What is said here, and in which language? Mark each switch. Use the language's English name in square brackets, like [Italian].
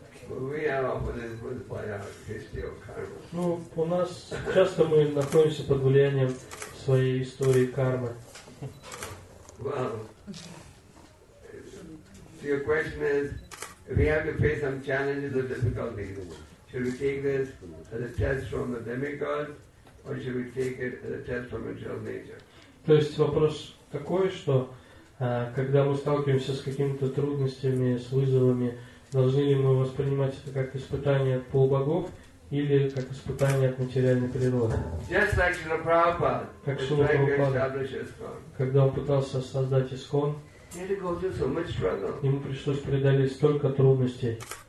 [English] We are often influenced by our history of karma. [Russian] Ну, у нас часто мы находимся под влиянием своей истории кармы. [English] Well, so your question is, if we have to face some challenges or difficulties, should we take this as a test from the demigods, or should we take it as a test from internal nature? [Russian] То есть вопрос такой, что когда мы сталкиваемся с какими-то трудностями, с вызовами, должны ли мы воспринимать это как испытание от полубогов или как испытание от материальной природы? [English] Just like Srila Prabhupada, [Russian] как Шрила Прабхупада, когда он пытался создать ИСКОН, ему пришлось преодолеть столько трудностей.